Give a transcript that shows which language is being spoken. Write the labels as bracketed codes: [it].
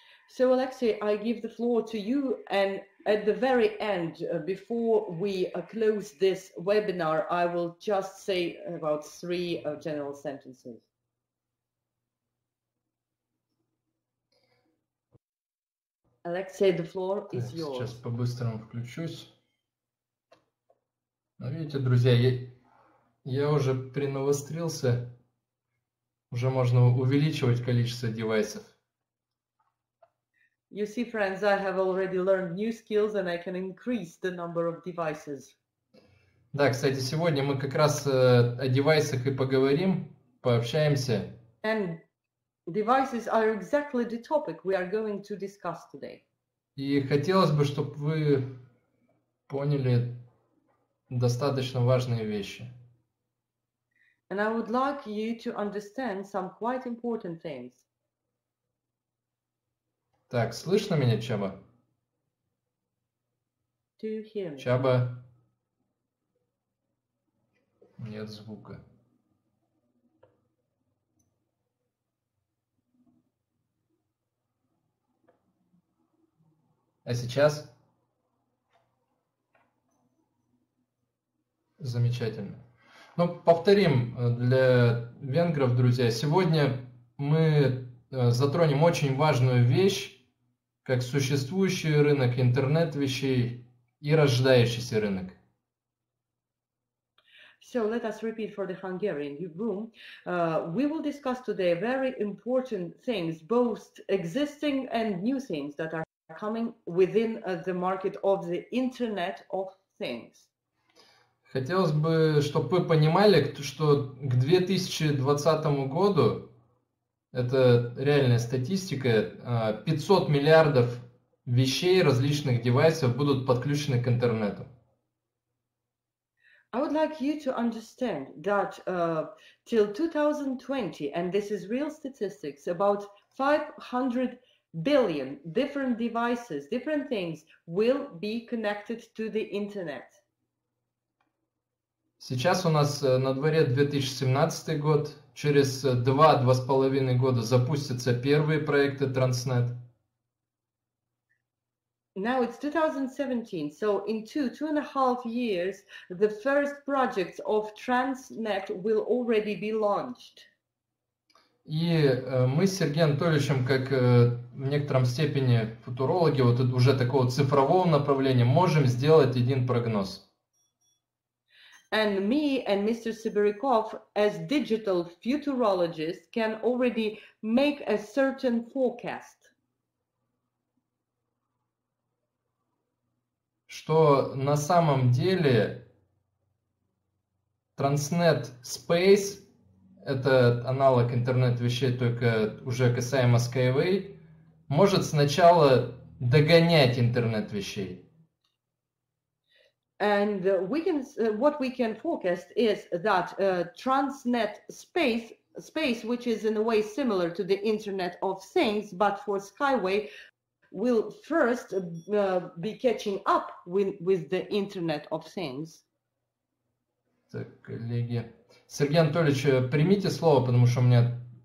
[en] So, Alexey, I give the floor to you, and at the very end, before we close this webinar, I will just say about three general sentences. Alexey, the floor is yours. [ru] Сейчас по-быстрому включусь. Ну, видите, друзья, я уже принавострился, уже можно увеличивать количество девайсов. [en] You see, friends, I have already learned new skills, and I can increase the number of devices. [ru] Да, кстати, сегодня мы как раз о девайсах и поговорим, пообщаемся. [en] And devices are exactly the topic we are going to discuss today. [ru] И хотелось бы, чтобы вы поняли достаточно важные вещи. [en] And I would like you to understand some quite important things. [ru] Так, слышно меня, Чаба? [en] Do you hear me? [ru] Чаба? Нет звука. А сейчас? Замечательно. Ну, повторим для венгров, друзья. Сегодня мы затронем очень важную вещь, как существующий рынок интернет-вещей и рождающийся рынок. [en] So let us repeat for the Hungarian room. We will discuss today very important things, both existing and new things that are coming within the market of the Internet of Things. [ru] Хотелось бы, чтобы вы понимали, что к 2020 году, это реальная статистика, 500 миллиардов вещей, различных девайсов будут подключены к интернету. [en] I would like you to understand that till 2020, and this is real statistics, about 500 billion different devices, different things will be connected to the internet. [ru] Сейчас у нас на дворе 2017 год. Через 2-2,5 года запустятся первые проекты Transnet. [en] Now it's 2017, so in two and a half years the first projects of Transnet will already be launched. [ru] И мы с Сергеем Анатольевичем, как в некотором степени футурологи, вот уже такого цифрового направления, можем сделать один прогноз. [en] And me and Mr. Sibirikov, as digital futurologists, can already make a certain forecast. [ru] Что на самом деле Transnet Space, это аналог интернет-вещей, только уже касаемо Skyway, может сначала догонять интернет-вещей. [en] And we can, what we can forecast is that Transnet space, which is in a way similar to the Internet of Things, but for Skyway, will first be catching up with the Internet of Things. [ru] Так, коллеги. Сергей Анатольевич, примите слово, потому что у меня...